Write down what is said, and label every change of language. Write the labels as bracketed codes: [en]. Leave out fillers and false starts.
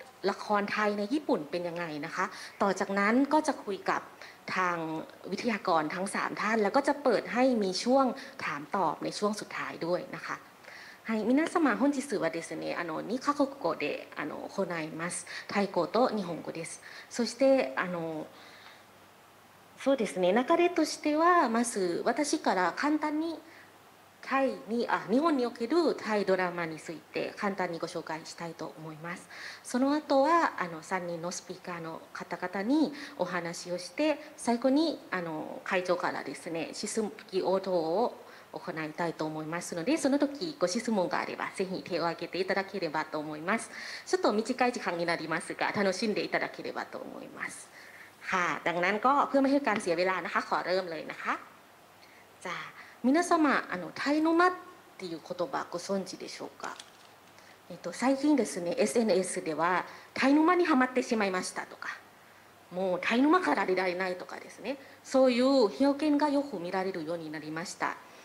[th] ละครไทยในญี่ปุ่นเป็นยังไงนะคะต่อจากนั้นก็จะคุยกับทางวิทยากรทั้ง3ท่านแล้วก็จะเปิดให้มีช่วงถามตอบในช่วงสุดท้ายด้วยนะคะ [ja] はい、皆様本日はですね、2カ国語で行います。タイ語と日本語です。そして、そうですね、流れとしては、まず私から簡単にタイに、日本におけるタイドラマについて簡単にご紹介したいと思います。その後は、3人のスピーカーの方々にお話をして、最後に会長からですね、質問応答を行いたいと思いますので、その時ご質問があればぜひ手を挙げていただければと思います。ちょっと短い時間になりますが、楽しんでいただければと思います。 [th] はい、ดังนั้นก็เพื่อไม่ให้การเสียเวลานะคะขอเริ่มเลยนะคะ。 [ja] じゃあ皆様タイノマっていう言葉ご存知でしょうか。最近ですね SNS ではタイノマにハマってしまいましたとか、もうタイノマから出られないとかですね、そういう表現がよく見られるようになりました。